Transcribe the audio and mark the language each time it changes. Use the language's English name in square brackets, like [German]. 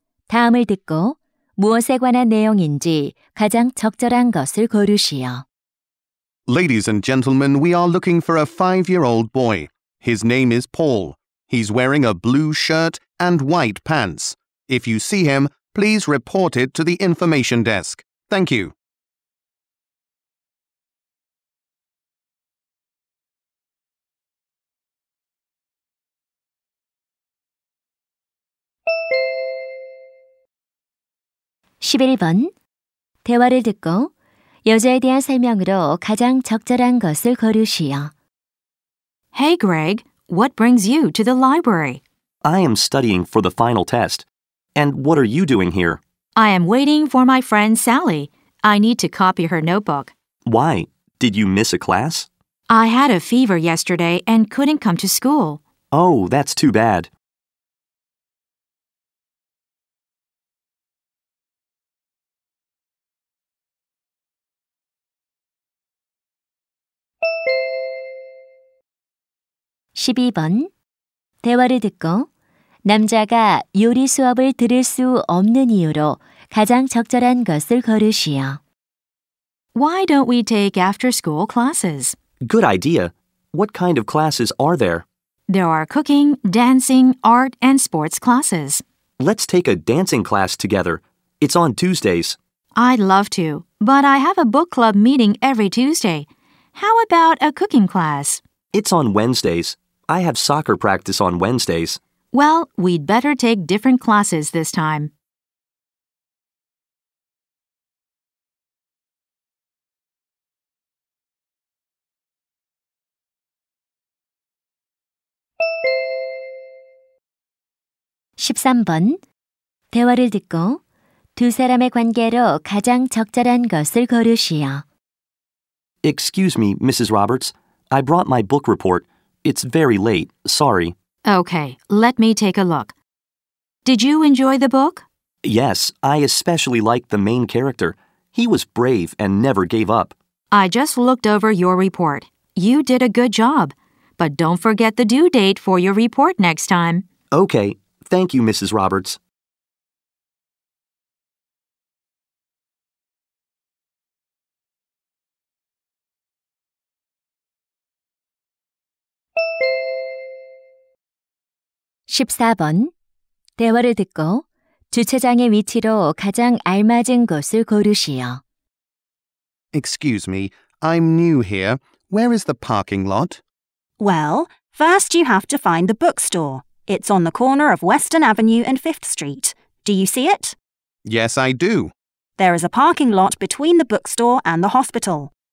[Korean] 다음을 듣고 무엇에 관한 내용인지 가장 적절한 것을 고르시오. [English] Ladies and gentlemen, we are looking for a 5-year-old boy. His name is Paul. He's wearing a blue shirt and white pants. If you see him, please report it to the information desk. Thank you. [Korean] 11번. 대화를 듣고 여자에 대한 설명으로 가장 적절한 것을 고르시오. [English] Hey, Greg, what brings you to the library? I am studying for the final test. And what are you doing here? I am waiting for my friend Sally. I need to copy her notebook. Why? Did you miss a class? I had a fever yesterday and couldn't come to school. Oh, that's too bad. [Korean] 12번. 대화를 듣고 남자가 요리 수업을 들을 수 없는 이유로 가장 적절한 것을 고르시오. [English] Why don't we take after-school classes? Good idea. What kind of classes are there? There are cooking, dancing, art, and sports classes. Let's take a dancing class together. It's on Tuesdays. I'd love to, but I have a book club meeting every Tuesday. How about a cooking class? It's on Wednesdays. I have soccer practice on Wednesdays. Well, we'd better take different classes this time. [Korean] 13번. 대화를 듣고 두 사람의 관계로 가장 적절한 것을 고르시오. [English] Excuse me, Mrs. Roberts. I brought my book report. It's very late, sorry. Okay, let me take a look. Did you enjoy the book? Yes, I especially liked the main character. He was brave and never gave up. I just looked over your report. You did a good job. But don't forget the due date for your report next time. Okay, thank you, Mrs. Roberts. [Korean] 14번. 대화를 듣고 주차장의 위치로 가장 알맞은 곳을 고르시오. [English] Excuse me, I'm new here. Where is the parking lot? Well, first you have to find the bookstore. It's on the corner of Western Avenue and 5th Street. Do you see it? Yes, I do. There is a parking lot between the bookstore and the hospital.